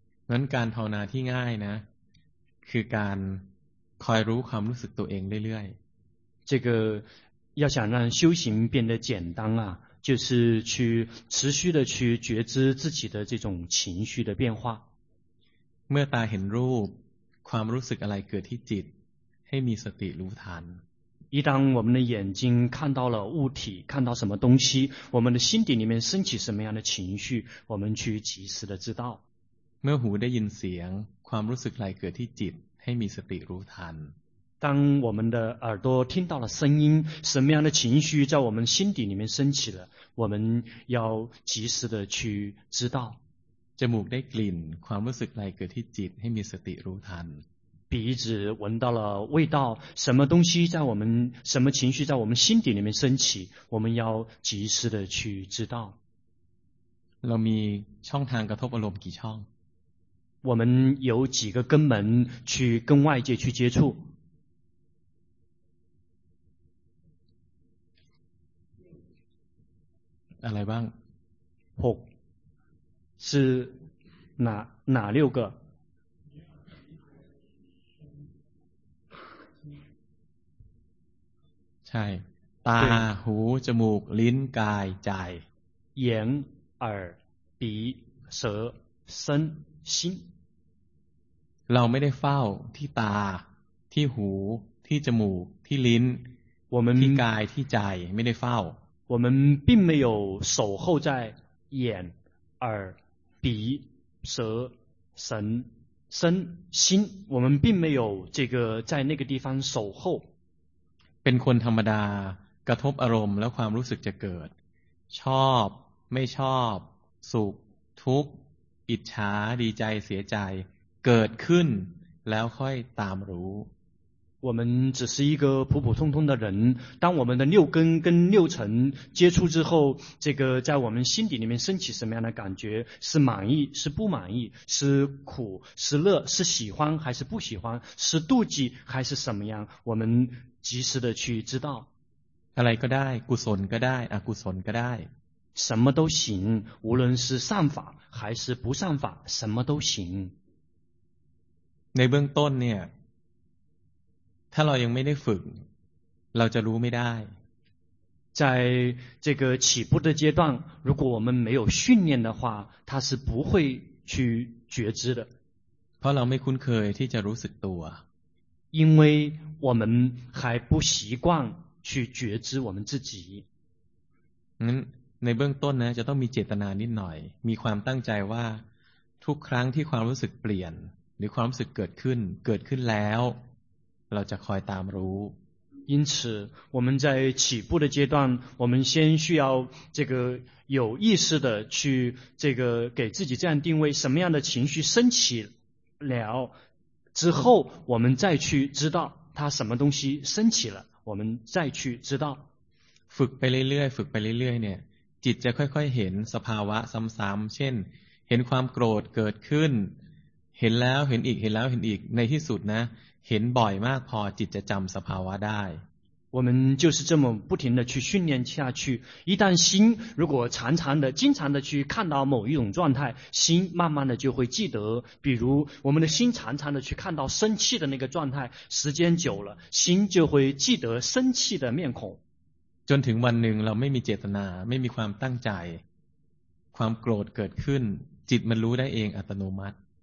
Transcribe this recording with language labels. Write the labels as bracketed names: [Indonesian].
[Thai] นั้นการภาวนาที่ง่ายนะคือการคอยรู้ความรู้สึกตัวเองเรื่อย [Chinese] ๆ这个要想让修行变得简单啊就是去持续的去觉知自己的这种情绪的变化 [Thai] เมื่อตาเห็นรูปความรู้สึกอะไรเกิดที่จิตให้มีสติรู้ทัน [Chinese] 一旦我们的眼睛看到了物体看到什么东西我们的心底里面升起什么样的情绪我们去及时的知道 [Thai] เมื่อหูได้ยินเสียงความรู้สึกอะไรเกิดที่จิตให้มีสติรู้ทัน [Chinese] 当我们的耳朵听到了声音什么样的情绪在我们心底里面升起了我们要及时的去知道 [Thai] จมูกได้กลิ่นความรู้สึกอะไรเกิดที่จิตให้มีสติรู้ทัน [Chinese] 鼻子闻到了味道什么东西在我们什么情绪在我们心底里面升起我们要及时的去知道 [Thai] เรามีช่องทางกระทบอารมณ์กี่ช่อง วันอยู่กี่กระกมันชื่อกันไหวเจชื่อชู่อะไรบ้าง หกชื่อหน้า [Chinese] 六个 [Thai] ใช่ตาหูจมูกลิ้นกายใจ [Chinese] 眼耳鼻舌身心 [Thai] เราไม่ได้เฝ้าที่ตาที่หูที่จมูกที่ลิ้นที่กายที่ใจไม่ได้เฝ้า [Chinese] 我们并没有守候在眼耳鼻舌神身心我们并没有这个在那个地方守候 [Thai] เป็นคนธรรมดากระทบอารมณ์แล้วความรู้สึกจะเกิดชอบไม่ชอบสุขทุกข์อิจฉาดีใจเสียใจเกิดขึ้นแล้วค่อยตามรู้ [Chinese] 我们只是一个普普通通的人当我们的六根跟六尘接触之后这个在我们心底里面升起什么样的感觉是满意是不满意是苦是乐是喜欢还是不喜欢是妒忌还是什么样我们及时的去知道 [Thai] อะไรก็ได้กุศลก็ได้อกุศลก็ได้ [Chinese] 什么都行无论是善法还是不善法什么都行 [Thai] ในเบื้องต้นเนี่ยถ้าเรายังไม่ได้ฝึกเราจะรู้ไม่ได้ [Chinese] 在这个起步的阶段如果我们没有训练的话它是不会去觉知的 [Thai] เพราะเราไม่คุ้นเคยที่จะรู้สึกตัว [Chinese] 因为我们还不习惯去觉知我们自己 [Thai] ในเบื้องต้นนะจะต้องมีเจตนานิดหน่อยมีความตั้งใจว่าทุกครั้งที่ความรู้สึกเปลี่ยนหรือความรู้สึกเกิดขึ้นเกิดขึ้นแล้วเราจะคอยตามรู้ [Chinese] 因此我们在起步的阶段我们先需要这个有意识的去这个给自己这样定位什么样的情绪升起了之后我们再去知道它什么东西升起了我们再去知道 [Thai] ฝึกไปเรื่อยๆฝึกไปเรื่อยๆเนี่ยจิตจะค่อยๆเห็นสภาวะซ้ำๆเช่นเห็นความโกรธเกิดขึ้นเห็นแล้วเห็นอีกเห็นแล้วเห็นอีกในที่สุดนะเห็นบ่อยมากพอจิตจะจำสภาวะได้ [Chinese] 我们就是这么不停的去训练下去，一旦心如果常常的经常的去看到某一种状态，心慢慢的就会记得，比如我们的心常常的去看到生气的那个状态，时间久了心就会记得生气的面孔。 [Thai] จนถึงวันหนึ่งเราไม่มีเจตนาไม่มีความตั้งใจความโกรธเกิดขึ้นจิตมันรู้ได้เองอัตโนมัติ